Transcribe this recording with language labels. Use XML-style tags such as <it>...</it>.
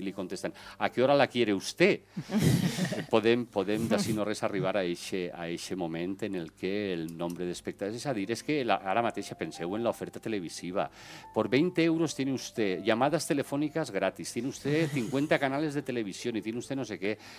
<es>I li contesten, ¿a qué hora la quiere usted?</es> <ca>podem d'ací no res arribar a eixe moment en el que el nombre d'espectadors, és a dir, és que ara mateix penseu en l'oferta televisiva.</ca> <es>Por 20 euros tiene usted llamadas telefónicas gratis, tiene usted 50 canales de televisió i tiene usted</es> <ca>no sé què.</ca>